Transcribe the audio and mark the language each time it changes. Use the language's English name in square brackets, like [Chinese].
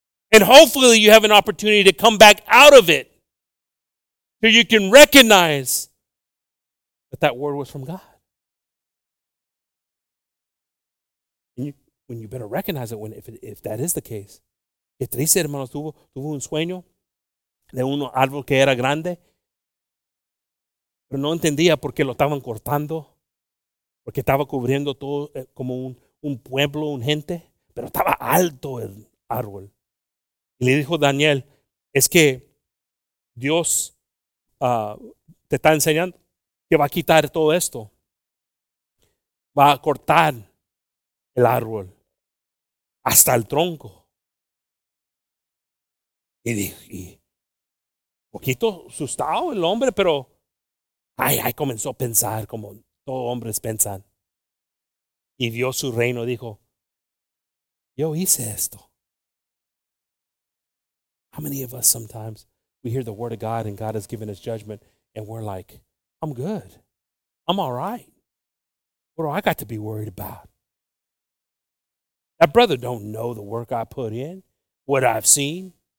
[English] And hopefully you have an opportunity to come back out of it so you can recognize that that word was from God. And you better recognize it if that is the case. [Spanish] Que triste, hermano, tuvo un sueño de un árbol que era grande. Pero no entendía por qué lo estaban cortando, porque estaba cubriendo todo como un pueblo, un gente, pero estaba alto el árbol. Y le dijo Daniel, es que Dios te está enseñando que va a quitar todo esto, va a cortar el árbol hasta el tronco. Y dije, un poquito asustado el hombre, pero Ay, comenzó a pensar como todos hombres piensan. Y vio su reino, dijo, yo hice esto. [English] How many of us sometimes we hear the word of God and God has given us judgment and we're like, I'm good. I'm all right. What do I got to be worried about? That brother don't know the work I put in, what I've seen.